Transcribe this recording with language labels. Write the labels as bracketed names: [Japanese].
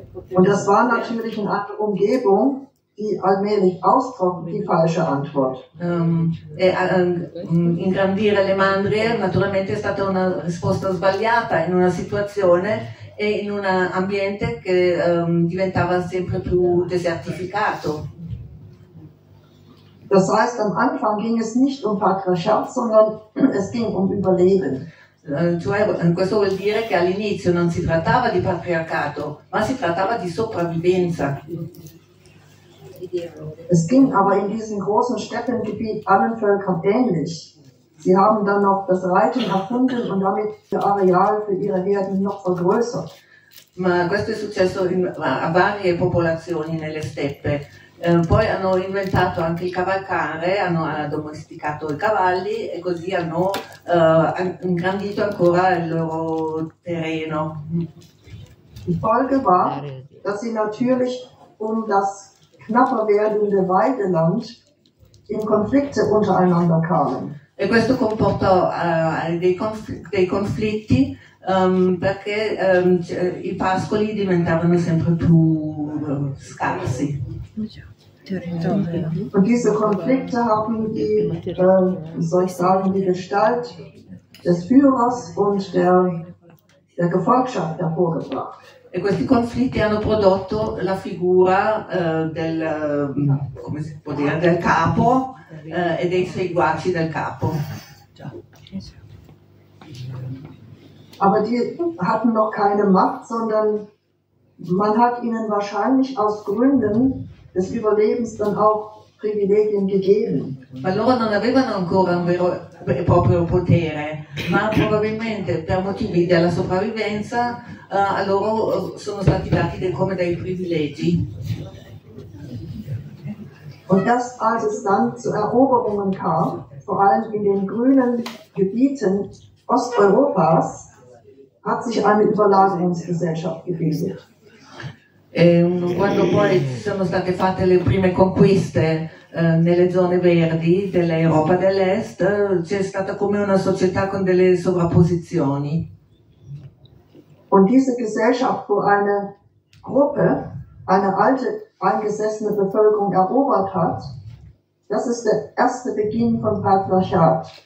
[German] Und das war natürlich in einer Umgebung, die allmählich austrocknet, die falsche Antwort. [Italian] Ingrandire le mandrie naturalmente è stata una risposta sbagliata in una situazione e in un ambiente che diventava sempre più desertificato. [German] Das heißt, am Anfang ging es nicht um Patriarchat, sondern es ging um Überleben. [Italian] Cioè, questo vuol dire che all'inizio non si trattava di patriarcato, ma si trattava di sopravvivenza. [German] Es ging aber in diesem großen Steppengebiet allen Völkern ähnlich. Sie haben dann noch das Reiten erfunden und damit das Areal für ihre Herden noch vergrößert. [Italian] Ma questo è successo a varie popolazioni nelle steppe. Poi hanno inventato anche il cavalcare, hanno addomesticato i cavalli e così hanno ingrandito ancora il loro terreno. [German] Die Folge war, dass sie natürlich um das knapper werdende Weideland in Konflikte untereinander kamen. [Italian] E questo comportò dei conflitti perché i pascoli diventavano sempre più scarsi. [German] Und diese Konflikte haben die, soll ich sagen, die Gestalt des Führers und der Gefolgschaft hervorgebracht. [Italian] E questi conflitti hanno prodotto la figura del, come si può dire, del capo e dei seguaci del capo. [German] Aber die hatten noch keine Macht, sondern man hat ihnen wahrscheinlich aus Gründen des Überlebens dann auch Privilegien gegeben. [Italian] Ma loro non avevano ancora un vero e proprio potere, ma probabilmente per motivi della sopravvivenza a loro sono stati dati come dei privilegi. [German] Und das, als es dann zu Eroberungen kam, vor allem in den grünen Gebieten Osteuropas, hat sich eine Überladungsgesellschaft gebildet. [Italian] E quando poi ci sono state fatte le prime conquiste nelle zone verdi dell'Europa dell'Est, c'è stata come una società con delle sovrapposizioni. [German] Und diese Gesellschaft, wo eine Gruppe eine alte eingesessene Bevölkerung erobert hat, das ist der erste Beginn von Patriarchat.